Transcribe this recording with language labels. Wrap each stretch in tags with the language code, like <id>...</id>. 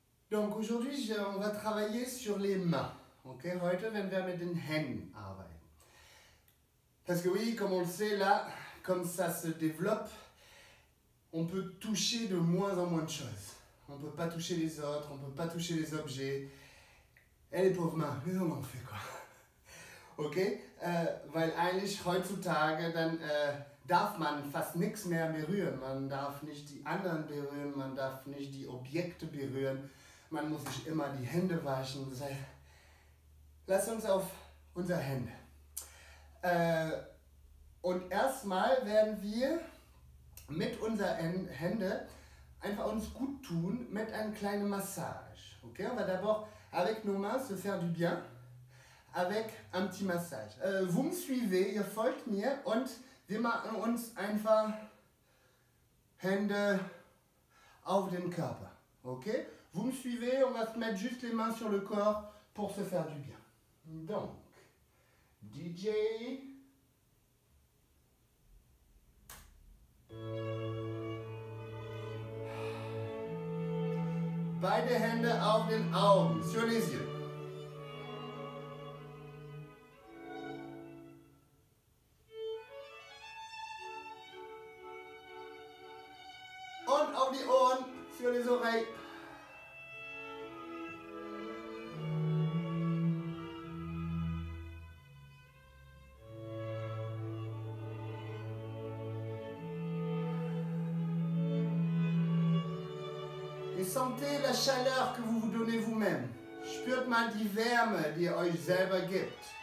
<fr>Donc aujourd'hui, on va travailler sur les mains. Okay?</fr> <de>Heute werden wir mit den Händen arbeiten.</de> <fr>Parce que oui, comme on le sait, là, comme ça se développe, on peut toucher de moins en moins de choses. On ne peut pas toucher les autres, on ne peut pas toucher les objets. Et les pauvres mains, mais on en fait quoi? Ok?</fr> <de>Weil eigentlich heutzutage, dann darf man fast nichts mehr berühren. Man darf nicht die anderen berühren, man darf nicht die Objekte berühren. Man muss sich immer die Hände waschen. Das heißt, lass uns auf unsere Hände. Und erstmal werden wir mit unseren Händen einfach uns gut tun mit einer kleinen Massage.</de> <fr>Okay? On va d'abord avec nos mains se faire du bien avec un petit massage. Vous me suivez,</fr> <de>ihr folgt mir und wir machen uns einfach Hände auf den Körper. Okay?</de> <fr>Vous me suivez, on va se mettre juste les mains sur le corps pour se faire du bien. Donc, DJ.</fr> <de>Beide Hände auf den Augen,</de> <fr>sur les yeux.</fr> <de>Und auf die Ohren,</de> <fr>sur les oreilles. Sentez la chaleur que vous vous donnez vous-même.</fr> <de>Spürt mal die Wärme, die ihr euch selber gibt.</de>